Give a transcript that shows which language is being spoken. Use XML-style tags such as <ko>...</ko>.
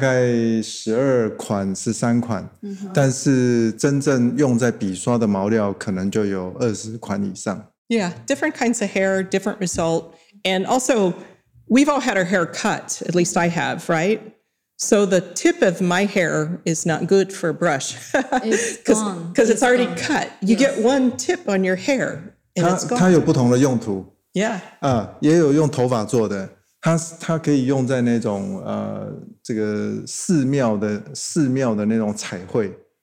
<zh>常用的大概12款、13款, 但是真正用在笔刷的毛料可能就有20款以上。</zh> <en>Yeah, different kinds of hair, different result. And also, we've all had our hair cut, at least I have, right? So the tip of my hair is not good for a brush. It's gone. Because it's already gone. Cut. You yes. get one tip on your hair, and it's gone.</en> <zh>它有不同的用途。</zh> <en>Yeah.</en> <zh>也有用头发做的。它可以用在那种寺庙的那种彩绘。</zh>